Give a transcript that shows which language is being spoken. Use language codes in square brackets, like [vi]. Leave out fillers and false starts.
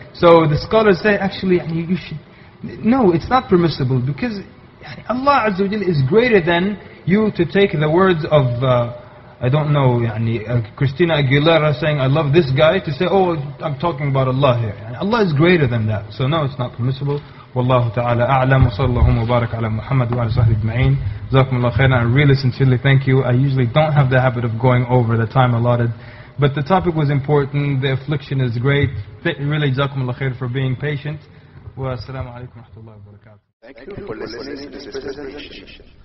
[en] So the scholars say, actually, you should... No, it's not permissible, because Allah Azza wa Jal is greater than you to take the words of, I don't know, Christina Aguilera saying, I love this guy, to say, oh, I'm talking about Allah here. Allah is greater than that. So no, it's not permissible. [ar] والله تعالى أعلم وصلى الله وبارك على محمد وعلى صحبه أجمعين جزاكم الله خيرا. [en] I really sincerely thank you. I usually don't have the habit of going over the time allotted, but the topic was important, the affliction is great. Really [ar] جزاكم الله خير [en] for being patient. [ar] والسلام عليكم ورحمة الله وبركاته. [en] Thank you for listening to this presentation.